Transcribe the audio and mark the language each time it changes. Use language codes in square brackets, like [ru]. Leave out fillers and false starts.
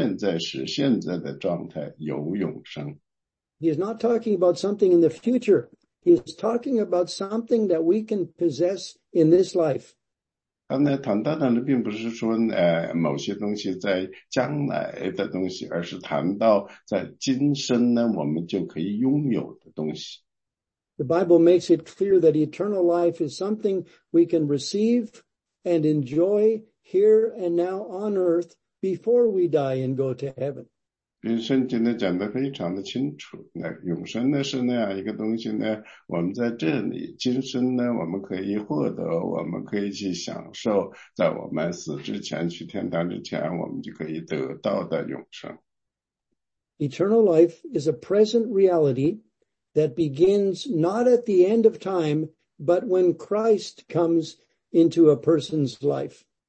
[zh] 在这些经文内呢,主耶稣基督他就说呢,那些信主耶稣基督的人呢,他是有,有是现在,是现在的状态,有永生。 [en] He is not talking about something in the future. He is talking about something that we can possess in this life. [zh] 他呢,谈到的并不是说某些东西在将来的东西,而是谈到在今生呢,我们就可以拥有的东西。 [en] The Bible makes it clear that eternal life is something we can receive and enjoy here and now on earth before we die and go to heaven. [zh] 永生呢,是那样一个东西呢,我们在这里,今生呢,我们可以获得,我们可以去享受,在我们死之前,去天堂之前,我们就可以得到的永生。 [en] Eternal life is a present reality that begins not at the end of time, but when Christ comes into a person's life.